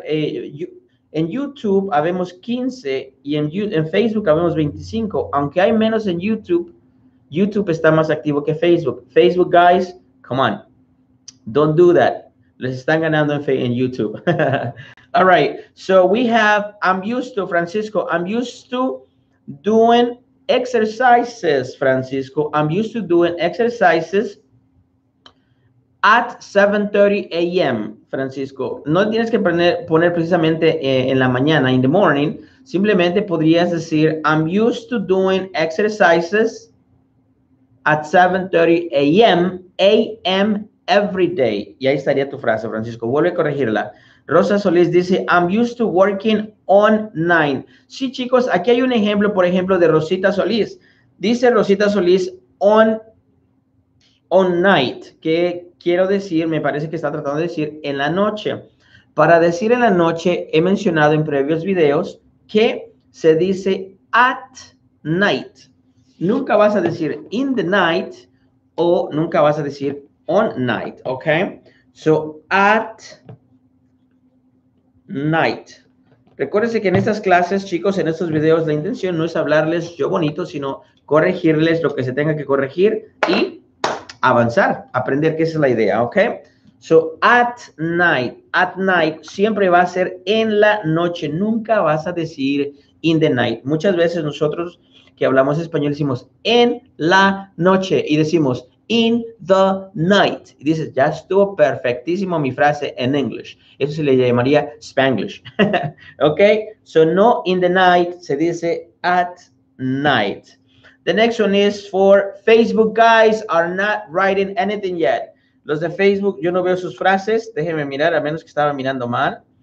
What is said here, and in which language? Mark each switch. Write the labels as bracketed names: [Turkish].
[Spanish] En YouTube habemos 15 y en Facebook habemos 25. Aunque hay menos en YouTube, YouTube está más activo que Facebook. [English] Facebook, guys, come on. Don't do that. [Spanish] Les están ganando en YouTube. [English] All right. So we have, I'm used to, Francisco. I'm used to doing exercises, Francisco. I'm used to doing exercises at 7:30 a.m., Francisco. [Spanish] No tienes que poner precisamente en la mañana, [English] in the morning. [Spanish] Simplemente podrías decir, [English] I'm used to doing exercises at 7:30 a.m. every day. [Spanish] Y ahí estaría tu frase, Francisco. Vuelve a corregirla. [English] Rosa Solís dice, I'm used to working online. [Spanish] Sí, chicos, aquí hay un ejemplo, por ejemplo, de Rosita Solís. Dice Rosita Solís, [English] on night, [Spanish] que quiero decir, me parece que está tratando de decir en la noche. Para decir en la noche, he mencionado en previos videos que se dice [English] at night. [Spanish] Nunca vas a decir [English] in the night [Spanish] o nunca vas a decir [English] on night, [Spanish] ¿ok? [English] So, at night. [Spanish] Recuérdense que en estas clases, chicos, en estos videos, la intención no es hablarles yo bonito, sino corregirles lo que se tenga que corregir y avanzar, aprender que esa es la idea, ¿ok? So, [English] at night, [Spanish] siempre va a ser en la noche, nunca vas a decir [English] in the night. [Spanish] Muchas veces nosotros que hablamos español decimos en la noche y decimos [English] in the night. [Spanish] Y dices, ya estuvo perfectísimo mi frase en English. Eso se le llamaría Spanglish. ¿Ok? So, [English] no in the night, [Spanish] se dice [English] at night. The next one is for Facebook, guys, are not writing anything yet. [Spanish] Los de Facebook, yo no veo sus frases. Déjenme mirar, a menos que estaba mirando mal.